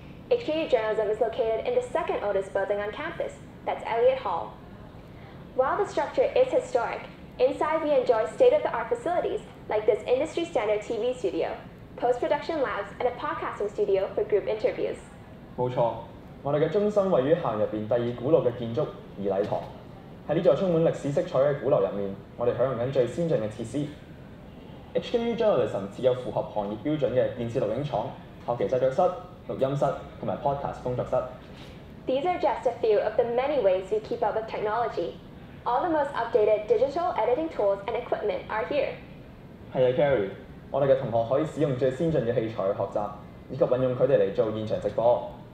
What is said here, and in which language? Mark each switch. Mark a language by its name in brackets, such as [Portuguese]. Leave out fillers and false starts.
[English] HKU Journalism is located in the second oldest building on campus, that's Elliott Hall. While the structure is historic, inside we enjoy state-of-the-art facilities like this industry-standard TV studio, post-production labs, and a podcasting studio for group interviews. [Chinese] 沒錯，我們的中心位於校園裡面第二古老的建築儀禮堂。在這座充滿歷史色彩的古樓裡面，我們享用最先進的設施。 HKU Journalism 設有符合行業標準的電視錄影廠、學期製作室、錄音室和 Podcast 工作室。 [English] These are just a few of the many ways we keep up with technology. All the most updated digital editing tools and equipment are here. [Chinese] 是的 Carrie， 我們的同學可以使用最先進的器材去學習，以及運用它們來做現場直播。